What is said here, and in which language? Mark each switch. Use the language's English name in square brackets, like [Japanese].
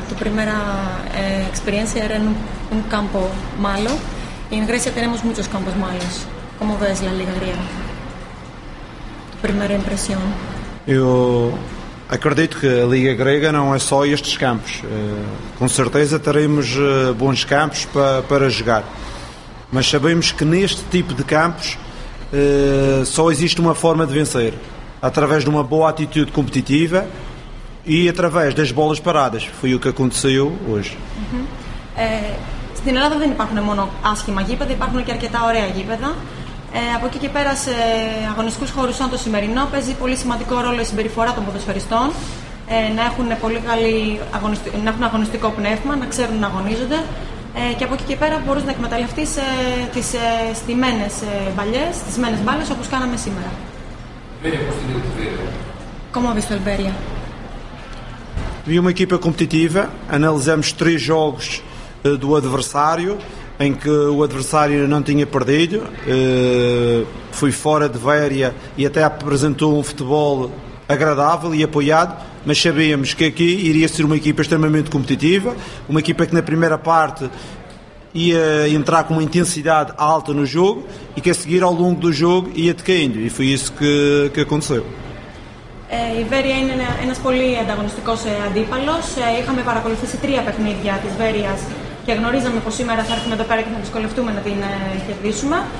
[Spanish] Tu primera experiencia era en un campo malo y en Grecia tenemos muchos campos malos. ¿Cómo ves la liga griega? Tu primera impresión. Yo acredito que la liga griega no es solo estos campos. Con certeza teremos buenos campos para jugar. [Portuguese] Mas sabemos que neste tipo de campos só existe uma forma de vencer. Através de uma boa atitude competitiva e através das bolas paradas. Foi o que aconteceu hoje. [Greek] Στην Ελλάδα δεν υπάρχουν μόνο άσχημα γήπεδα, υπάρχουν και αρκετά ωραία γήπεδα. Από εκεί και πέρα, σε αγωνιστικούς χώρους σαν το σημερινό, παίζει πολύ σημαντικό ρόλο η συμπεριφορά των ποδοσφαιριστών. Να έχουν πολύ καλή αγωνιστικό πνεύμα, να ξέρουν να αγωνίζονται. Και από εκεί και πέρα μπορείς να εκμεταλλευτείς τις στημένες μπαλιές, τις στημένες μπάλες όπως κάναμε σήμερα. [Portuguese] Como viste o Alberia? Vi uma equipa competitiva. Analisamos três jogos do adversário, em que o adversário não tinha perdido. Foi fora de Vérea e até apresentou um futebol agradável e apoiado. Mas sabíamos que aqui iria ser uma equipa extremamente competitiva. Uma equipa que na primeira parte ia entrar com uma intensidade alta no jogo e que a seguir ao longo do jogo ia decaindo e foi isso que aconteceu. [Greek] Η Βέρεια είναι ένας πολύ ανταγωνιστικός αντίπαλος. Είχαμε παρακολουθήσει τρία παιχνίδια της Βέριας και γνωρίζαμε πως σήμερα θα έρθουμε εδώ πέρα και θα δυσκολευτούμε να την κερδίσουμε.